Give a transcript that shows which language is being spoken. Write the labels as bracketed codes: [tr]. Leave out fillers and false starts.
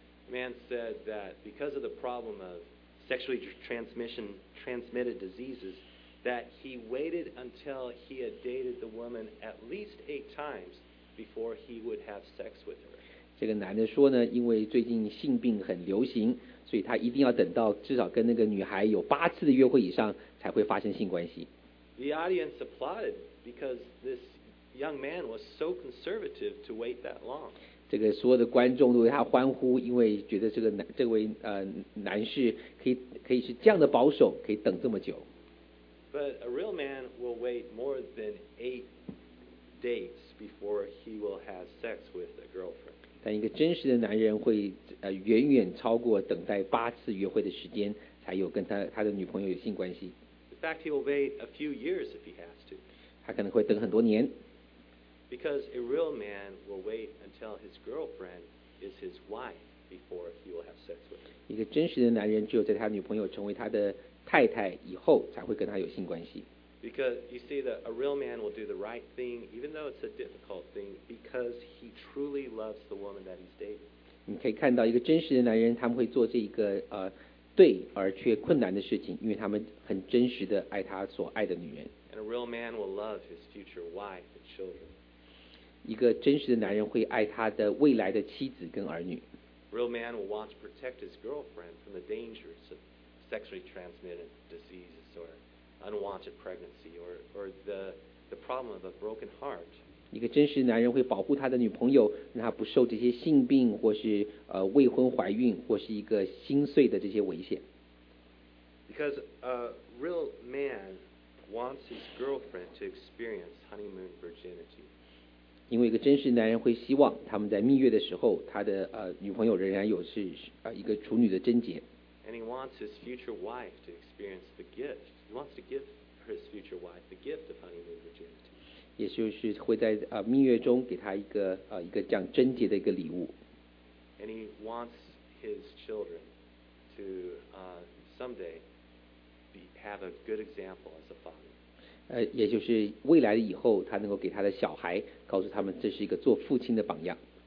[en] Man said that because of the problem of sexually transmitted diseases, that he waited until he had dated the woman at least 8 times before he would have sex with her. [zh] 这个男的说呢，因为最近性病很流行，所以他一定要等到至少跟那个女孩有8次的约会以上，才会发生性关系。 [en] The audience applauded because this young man was so conservative to wait that long. [zh] 这个所有的观众都为他欢呼，因为觉得这位男士可以是这样的保守，可以等这么久。 [en] But a real man will wait more than 8 dates before he will have sex with a girlfriend. [zh] 但一个真实的男人会远远超过等待8次约会的时间，才有跟他的女朋友有性关系。 [en] In fact, he will wait a few years if he has to. [zh] 他可能会等很多年。 [en] Because a real man will wait until his girlfriend is his wife before he will have sex with her. [zh] 一个真实的男人只有在他女朋友成为他的太太以后才会跟他有性关系。 [en] Because you see that a real man will do the right thing, even though it's a difficult thing, because he truly loves the woman that he's dating. [zh] 你可以看到一个真实的男人，他们会做这一个对而却困难的事情，因为他们很真实的爱他所爱的女人。 [en] And a real man will love his future wife and children. [zh] 一个真实的男人会爱他的未来的妻子跟儿女。 [en] Real man will want to protect his girlfriend from the dangers of sexually transmitted diseases or unwanted pregnancy or the problem of a broken heart. [zh] 一个真实的男人会保护他的女朋友，让他不受这些性病或是未婚怀孕或是一个心碎的这些危险。 [en] Because a real man wants his girlfriend to experience honeymoon virginity. [zh] 因为一个真实的男人会希望他们在蜜月的时候，他的女朋友仍然有是一个处女的贞洁。 [en] And he wants his future wife to experience the gift. He wants to give his future wife the gift of honeymoon virginity. [zh] 也就是会在蜜月中给他一个这样贞洁的一个礼物。 [en] And he wants his children to someday have a good example as a father. [zh] 也就是未来的以后，他能够给他的小孩告诉他们，这是一个做父亲的榜样。